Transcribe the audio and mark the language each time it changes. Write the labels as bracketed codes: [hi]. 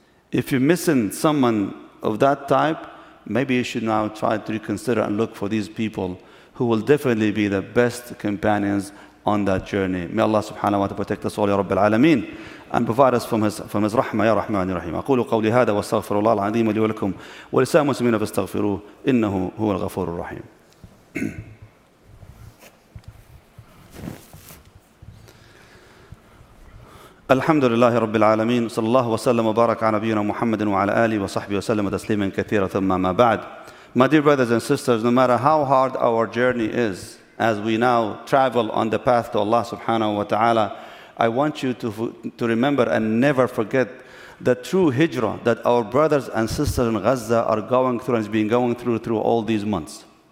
[en] If you're missing someone of that type, maybe you should now try to reconsider and look for these people who will definitely be the best companions on that journey. May Allah subhanahu wa ta'ala protect us all, Ya Rabbil Alameen, and provide us from his rahmah, Ya Rahman, Ya Rahim. [ar] أقول قولي هذا واستغفر الله العظيم لي ولكم ولسائر المسلمين فاستغفروه إنه هو الغفور الرحيم. الحمد لله رب العالمين صلى الله وسلم وبارك على نبينا محمد وعلى آله وصحبه وسلم تسليما كثيرا ثم ما بعد. [en] My dear brothers and sisters, no matter how hard our journey is, as we now travel on the path to Allah subhanahu wa ta'ala, I want you to remember and never forget the true hijrah that our brothers and sisters in Gaza are going through and has been going through all these months.